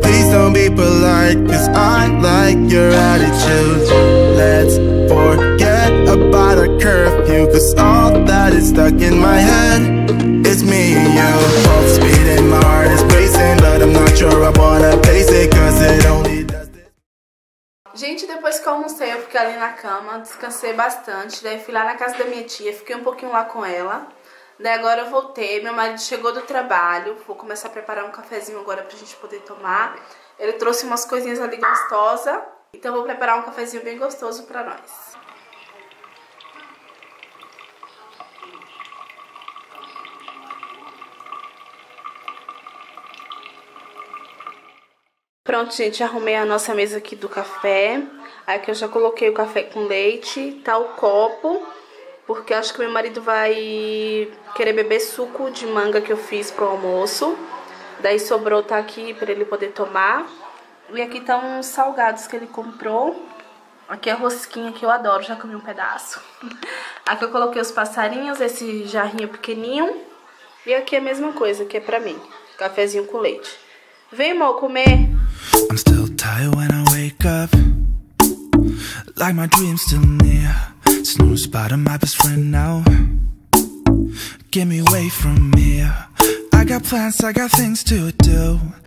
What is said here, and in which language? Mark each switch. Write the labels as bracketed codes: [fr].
[en] Please don't be polite, cause I like your attitude. Let's forget about a curfew, cause all that is stuck in my head is me and you. Both speed and my heart is pacing, but I'm not sure I wanna pace it, cause it only does this. [pt] Gente, depois que eu almocei, eu fiquei ali na cama, descansei bastante. Daí fui lá na casa da minha tia, fiquei um pouquinho lá com ela. Daí agora eu voltei, meu marido chegou do trabalho. Vou começar a preparar um cafezinho agora pra gente poder tomar. Ele trouxe umas coisinhas ali gostosas. Então vou preparar um cafezinho bem gostoso pra nós. Pronto, gente, arrumei a nossa mesa aqui do café. Aqui eu já coloquei o café com leite, tá o copo, porque acho que meu marido vai querer beber suco de manga que eu fiz pro almoço. Daí sobrou, tá aqui pra ele poder tomar. E aqui estão os salgados que ele comprou. Aqui é a rosquinha que eu adoro, já comi um pedaço. Aqui eu coloquei os passarinhos, esse jarrinho pequenininho. E aqui a mesma coisa, que é pra mim, cafezinho com leite. Vem, amor, comer! [en] I'm still tired when I wake up, like my dream's still near. Snooze by my best friend now, get me away from here. I got plans, I got things to do.